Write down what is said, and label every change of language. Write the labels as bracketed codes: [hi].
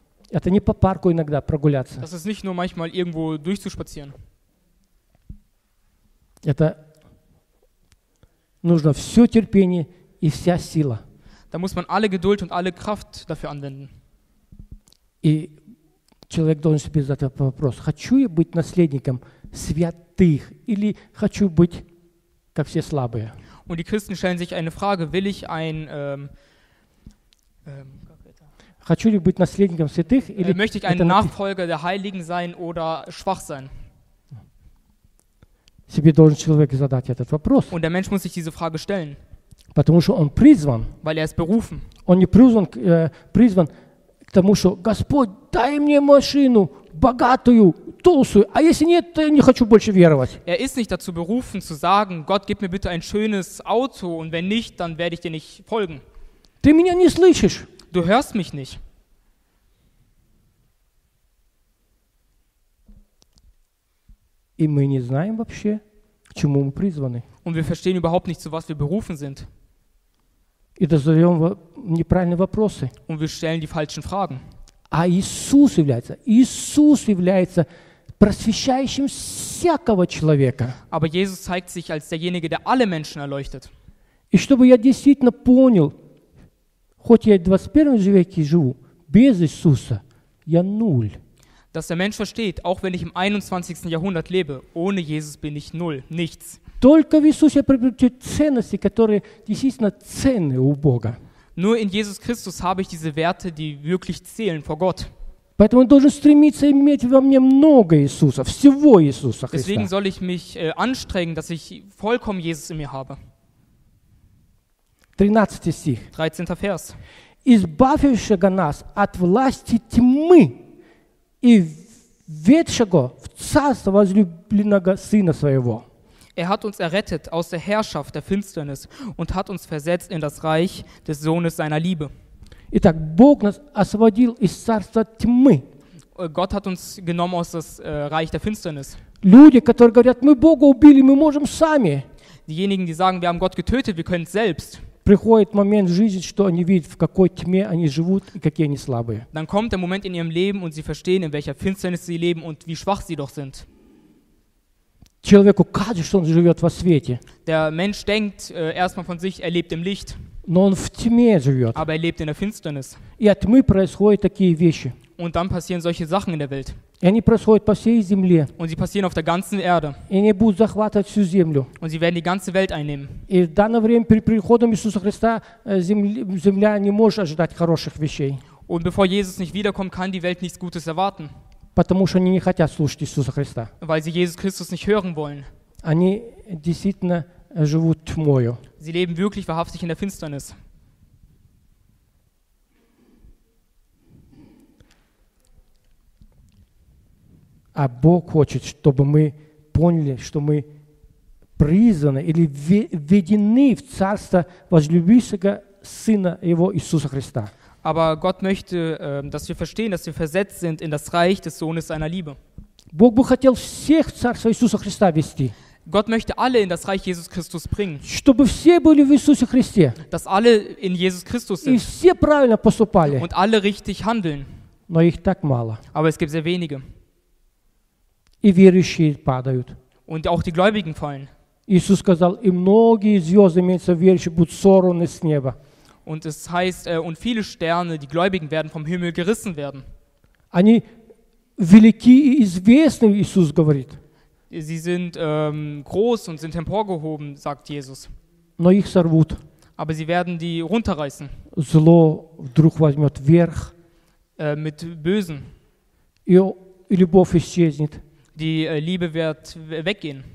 [de] Das ist nicht nur manchmal irgendwo durchzuspazieren. [ru] Нужно все терпение и вся сила. [de] Da muss man alle Geduld und alle Kraft dafür anwenden. [ru] И человек должен себе задать вопрос: хочу я быть наследником святых или хочу быть как все слабые? [de] Und die Christen stellen sich eine Frage: Will ich ein [ru] хочу ли быть наследником святых или [de] möchte ich ein Nachfolger der Heiligen sein oder schwach sein? [ru] Себе должен человек задать этот вопрос. [de] Und der Mensch muss sich diese Frage stellen. [ru] Потому что он призван. [de] Weil er ist berufen. [ru] Он не призван, призван к тому, что Господь, дай мне машину богатую, толстую. А если нет, то я не хочу больше веровать. [de] Er ist nicht dazu berufen zu sagen, Gott, gib mir bitte ein schönes Auto und wenn nicht, dann werde ich dir nicht folgen. [ru] Ты меня не слышишь. [de] Du hörst mich nicht. [ru] И мы не знаем вообще, к чему мы призваны. [de] Und wir verstehen überhaupt nicht, zu was wir berufen sind. [ru] И задаем неправильные вопросы. [de] Und wir stellen die falschen Fragen. [ru] А Иисус является просвещающим всякого человека. [de] Aber Jesus zeigt sich als derjenige, der alle Menschen erleuchtet. [ru] И чтобы я действительно понял, хоть я и в 21 веке живу, без Иисуса я нуль. [de] Dass der Mensch versteht, auch wenn ich im 21. Jahrhundert lebe, ohne Jesus bin ich null, nichts. [ru] Только в Иисусе я приобрету те ценности, которые действительно ценны у Бога. [de] Nur in Jesus Christus habe ich diese Werte, die wirklich zählen vor Gott. [ru] Поэтому я должен стремиться иметь во мне много Иисуса, всего Иисуса Христа. [de] Deswegen soll ich mich anstrengen, dass ich vollkommen Jesus in mir habe. [ru] 13. стих. [de] 13. Vers. [ru] Избавившего нас от власти тьмы и ведшего в царство возлюбленного Сына Своего. [de] Er hat uns errettet aus der Herrschaft der Finsternis und hat uns versetzt in das Reich des Sohnes seiner Liebe. [ru] Итак, Бог нас освободил из царства тьмы. [de] Gott hat uns genommen aus das Reich der Finsternis. [ru] Люди, которые говорят, мы Бога убили, мы можем сами. [de] Diejenigen, die sagen, wir haben Gott getötet, wir können es selbst. [ru] Приходит момент в жизни, что они видят, в какой тьме они живут и какие они слабые. [de] Dann kommt der Moment in ihrem Leben und sie verstehen, in welcher Finsternis sie leben und wie schwach sie doch sind. [ru] Человеку кажется, что он живет во свете. [de] Der Mensch denkt erstmal von sich, er lebt im Licht. [ru] Но он в тьме живет. [de] Aber er lebt in der Finsternis. [ru] И от тьмы происходят такие вещи. [de] Und dann passieren solche Sachen in der Welt. [ru] И они происходят по всей земле. [de] Und sie passieren auf der ganzen Erde. [ru] И они будут захватывать всю землю. [de] Und sie werden die ganze Welt einnehmen. [ru] И в данное время перед приходом Иисуса Христа земля не может ожидать хороших вещей. [de] Und bevor Jesus nicht wiederkommt, kann die Welt nichts Gutes erwarten. [ru] Потому что они не хотят слушать Иисуса Христа. [de] Weil sie Jesus Christus nicht hören wollen. [ru] Они действительно живут тьмою. [de] Sie leben wirklich wahrhaftig in der Finsternis. [ru] А А Бог хочет, чтобы мы поняли, что мы призваны или введены в Царство возлюбившего Сына Его Иисуса Христа. [de] Aber Gott möchte, dass wir verstehen, dass wir versetzt sind in das Reich des Sohnes seiner Liebe. [ru] Бог бы хотел всех в Царство Иисуса Христа ввести. [de] Gott möchte alle in das Reich Jesus Christus bringen. [ru] Чтобы все были в Иисусе Христе. [de] Dass alle in Jesus Christus sind. [ru] И все правильно поступали. [de] Und alle richtig handeln. [ru] Но их так мало. [de] Aber es gibt sehr wenige. [ru] И верующие падают. [de] Und auch die Gläubigen fallen. [ru] Иисус сказал, и многие звезды, имеются верующие, будут сорваны с неба. [de] Und es heißt, und viele Sterne, die Gläubigen, werden vom Himmel gerissen werden. [ru] Они велики и известны, Иисус говорит. [de] Sie sind groß und sind emporgehoben, sagt Jesus. [ru] Но их сорвут. [de] Aber sie werden die runterreißen. [ru] Зло вдруг возьмет верх. [de] Mit Bösen. [ru] И любовь исчезнет. [de] Die Liebe wird weggehen.